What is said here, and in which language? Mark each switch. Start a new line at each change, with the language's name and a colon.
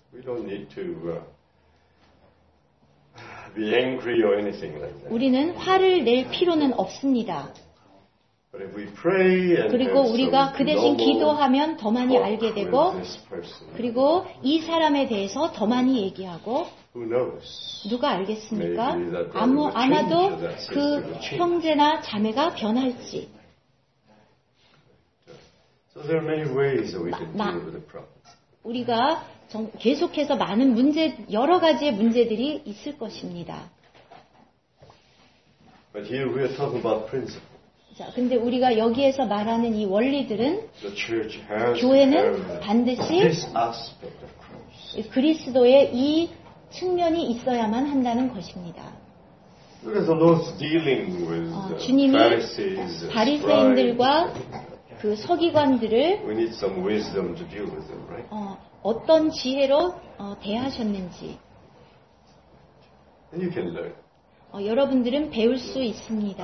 English: We don't need to be angry or anything like that.
Korean: 우리는 화를 낼 필요는 없습니다.
English: But if we pray and
Korean: 그리고 우리가 그 대신 기도하면 더 많이 알게 되고 그리고 이 사람에 대해서 더 많이 얘기하고
English: Who knows?
Korean: 누가 알겠습니까? 아마도 그 형제나 자매가 변할지.
English: So there are many ways that we can deal with the problem.
Korean: 우리가 계속해서 많은 문제, 여러 가지의 문제들이 있을 것입니다.
English: But here we are talking about principles.
Korean: 자, 근데 우리가 여기에서 말하는 이 원리들은
English: the church has
Korean: 교회는 반드시
English: this aspect of Christ.
Korean: 그리스도의 이 측면이 있어야만 한다는 것입니다.
English: Look at the Lord's dealing with the
Korean: 주님이
English: Pharisees,
Korean: 바리새인들과 그 서기관들을
English: we need some wisdom to deal with them, right?
Korean: 어떤 지혜로 대하셨는지
English: And you can learn.
Korean: 여러분들은 배울 수 있습니다.